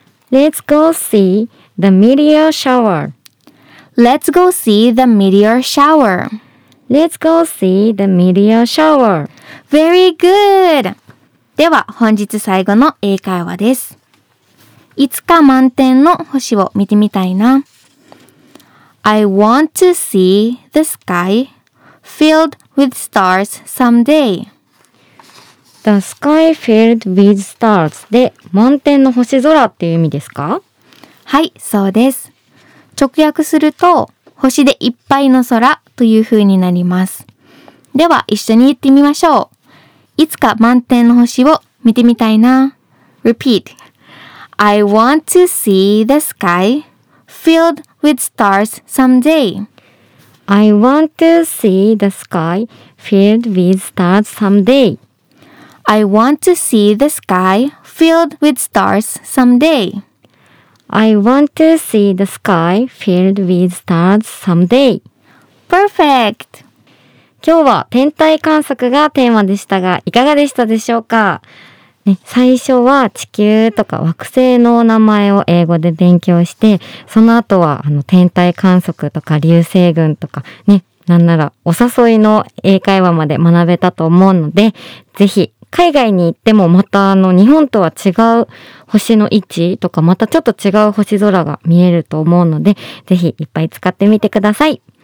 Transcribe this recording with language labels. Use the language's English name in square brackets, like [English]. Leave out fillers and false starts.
[English] Let's go see the meteor shower. Let's go see the meteor shower. Let's go see the meteor shower. Very good. [Japanese] では本日最後の英会話です。いつか満天の星を見てみたいな。 [English] I want to see the sky filled with stars someday. The sky filled with stars [Japanese] で満天の星空っていう意味ですか？はい、そうです。直訳すると星でいっぱいの空という風になります。では一緒に言ってみましょう。いつか満天の星を見てみたいな。 [English] Repeat. I want to see the sky filled with stars someday. I want to see the sky filled with stars someday. I want to see the sky filled with stars someday. I want to see the sky filled with stars someday. Perfect! [Japanese] 今日は天体観測がテーマでしたが、いかがでしたでしょうか？ね、最初は地球とか惑星の名前を英語で勉強して、その後は天体観測とか流星群とかね、なんならお誘いの英会話まで学べたと思うので、ぜひ海外に行ってもまた日本とは違う星の位置とかまたちょっと違う星空が見えると思うので、ぜひいっぱい使ってみてください。